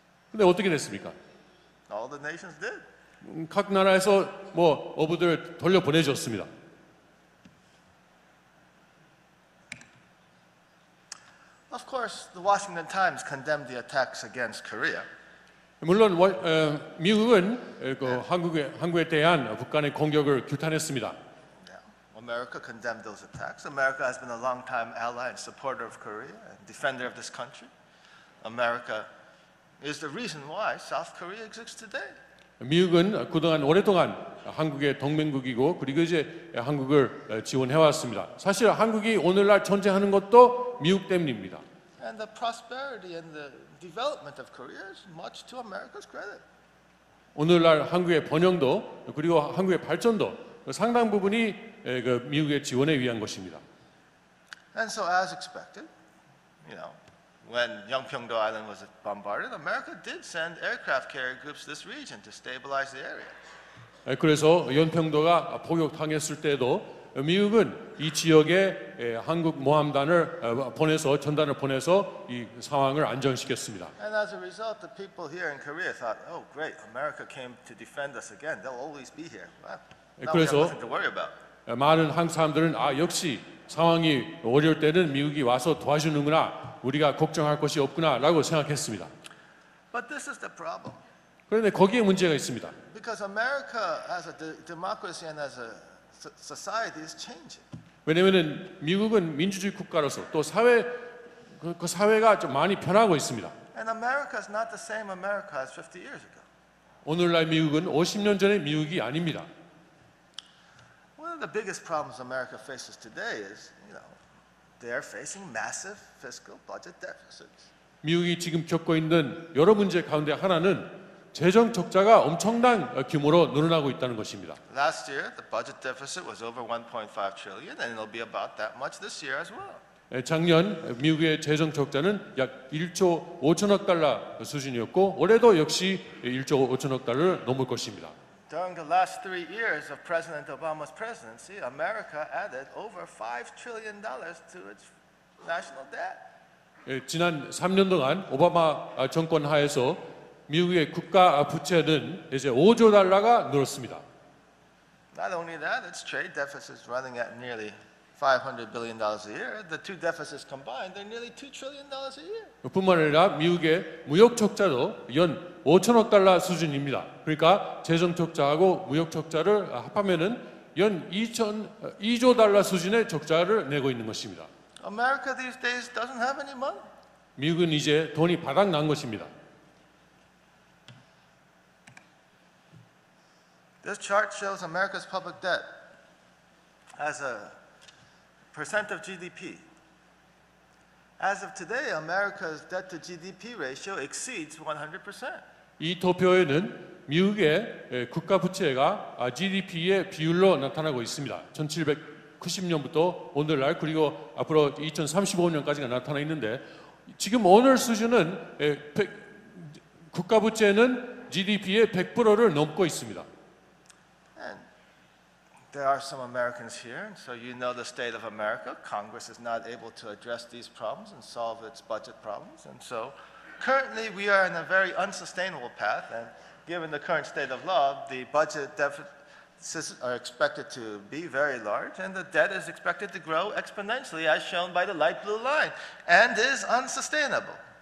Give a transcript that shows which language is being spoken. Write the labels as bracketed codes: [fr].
[ko] 근데 어떻게 됐습니까? [en] All the nations did. [ko] 각 나라에서 뭐 어부들 돌려 보내줬습니다. [en] Of course, the Washington Times condemned the attacks against Korea. [ko] 물론 미국은 한국에 대한 북한의 공격을 규탄했습니다. [en] Yeah. America condemned those attacks. America has been a long-time ally and supporter of Korea and defender of this country. America is the reason why South Korea exists today. [ko] 미국은 그동안 오랫동안 한국의 동맹국이고 그리고 이제 한국을 지원해 왔습니다. 사실 한국이 오늘날 존재하는 것도 미국 때문입니다. [en] And the prosperity and the development of Korea is much to America's credit. [ko] 오늘날 한국의 번영도 그리고 한국의 발전도 상당 부분이 미국의 지원에 의한 것입니다. [en] And so as expected, you know, when Yeongpyeongdo Island was bombarded, America did send aircraft carrier groups to this region to stabilize the area. [ko] 그래서 연평도가 폭격당했을 때도 미국은 이 지역에 한국 모함단을 보내서 전단을 보내서 이 상황을 안정시켰습니다. [en] And as a result, the people here in Korea thought, "Oh, great! America came to defend us again. They'll always be here." Well, [ko] 그래서 [en] we have nothing to worry about. [ko] 많은 한국 사람들은 역시 상황이 어려울 때는 미국이 와서 도와주는구나. 우리가 걱정할 것이 없구나라고 생각했습니다. [en] But this is the problem. [ko] 그런데 거기에 문제가 있습니다. [en] Because America as a democracy and as a society is changing. [ko] 왜냐하면은 미국은 민주주의 국가로서 또 사회 그 사회가 좀 많이 변하고 있습니다. [en] And America is not the same America as 50 years ago. [ko] 오늘날 미국은 50년 전의 미국이 아닙니다. [en] One of the biggest problems America faces today is, you know, they are facing massive fiscal budget deficits. [ko] 미국이 지금 겪고 있는 여러 문제 가운데 하나는 재정 적자가 엄청난 규모로 늘어나고 있다는 것입니다. [en] Last year, the budget deficit was over 1.5 trillion, and it'll be about that much this year as well. [ko] 작년 미국의 재정 적자는 약 1조 5천억 달러 수준이었고 올해도 역시 1조 5천억 달러를 넘을 것입니다. [en] During the last 3 years of President Obama's presidency, America added over $5 trillion to its national debt. [ko] 지난 3년 동안 오바마 정권 하에서 미국의 국가 부채는 이제 5조 달러가 늘었습니다. [en] Not only that, its trade deficit is running at nearly $500 billion a year. The two deficits combined, they're nearly $2 trillion a year. [ko] 뿐만 아니라 미국의 무역 적자도 연 5천억 달러 수준입니다. 그러니까 재정 적자하고 무역 적자를 합하면은 연 2조 달러 수준의 적자를 내고 있는 것입니다. [en] America these days doesn't have any money. [ko] 미국은 이제 돈이 바닥난 것입니다. [en] This chart shows America's public debt as a percent of GDP. As of today, America's debt to GDP ratio exceeds 100%. [ko] 이 도표에는 미국의 국가 부채가 GDP의 비율로 나타나고 있습니다. 1790년부터 오늘날 그리고 앞으로 2035년까지가 나타나 있는데 지금 오늘 수준은 국가 부채는 GDP의 100%를 넘고 있습니다. [en] And there are some Americans here, so you know the state of America. Congress is not able to address these problems and solve its budget problems. And so currently we are in a very unsustainable path, and given the current state of law, the budget deficits are expected to be very large, and the debt is expected to grow exponentially, as shown by the light blue line, and is unsustainable.